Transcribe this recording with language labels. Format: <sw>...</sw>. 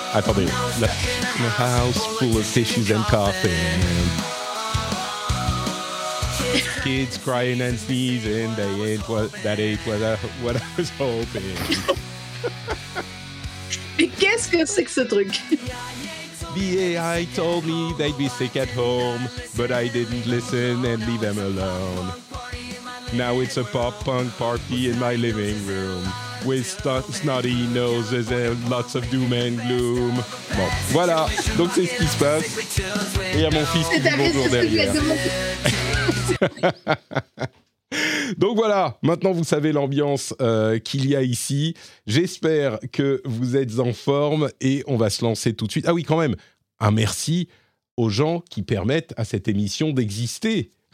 <en>I probably left in a house full of tissues and coughing. Kids crying and sneezing. That ain't what I was hoping.</en> <fr>Mais qu'est-ce que c'est que ce truc?</fr> <en>The AI told me they'd be sick at home, but I didn't listen and leave them alone. Now it's a pop-punk party in my living room with snotty noses and lots of doom and gloom.</en> <fr>Bon, voilà. Donc, c'est ce qui se passe. Et il y a mon fils qui dit bonjour derrière. Donc, voilà. Maintenant, vous savez l'ambiance qu'il y a ici. J'espère que vous êtes en forme et on va se lancer tout de suite. Ah oui, quand même, un merci aux gens qui permettent à cette émission d'exister.</fr>